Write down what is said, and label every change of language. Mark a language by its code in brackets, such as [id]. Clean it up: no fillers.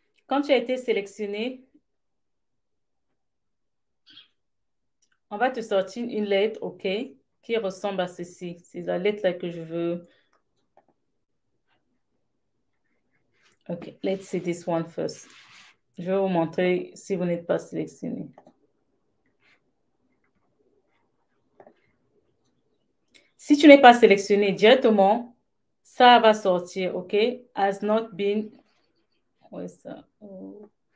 [fr] Quand tu as été sélectionné, on va te sortir une lettre, OK, qui ressemble à ceci. C'est la lettre là que je veux. [en] OK, let's see this one first. [fr] Je vais vous montrer si vous n'êtes pas sélectionné. Si tu n'es pas sélectionné directement, ça va sortir, OK? [en] Has not been. [fr] Où est ça? Oh.